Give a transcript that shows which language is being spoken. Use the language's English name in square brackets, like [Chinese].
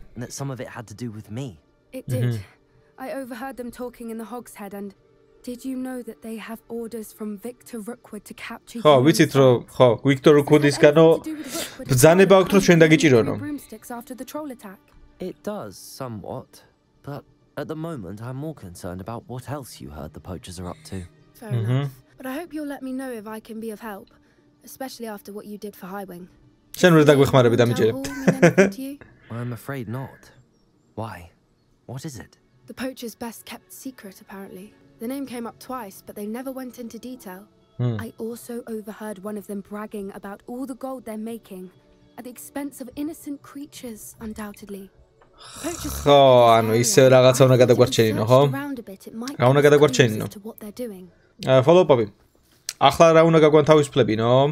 [English] That some of it had to do with me. It did. I overheard them talking in the hog's head and did you know that they have orders from Victor Rookwood to capture you? [Georgian] ხო, ვიცით რომ, ხო, Victor Rookwood-ის განო ბძანება აქვს რომ შენ დაგიჭირონო. [English] It does somewhat, but at the moment I'm more concerned about what else you heard the poachers are up to. Fair enough. But I hope you'll let me know if I can be of help, especially after what you did for Highwing. [Georgian] შენ რა დაგვეხმარები დამიჭერე? [English] I'm afraid not. Why? What is it? The poachers best kept secret apparently. The name came up twice, but they never went into detail. I also overheard one of them bragging about all the gold they're making at the expense of innocent creatures undoubtedly. [Georgian] ხო, ანუ ისე რაღაცა უნდა გადაგვარჩენინო, ხო? რა უნდა გადაგვარჩენინო? ფოლოუპები. ახლა რა უნდა გაგვანთავისუფლებინო?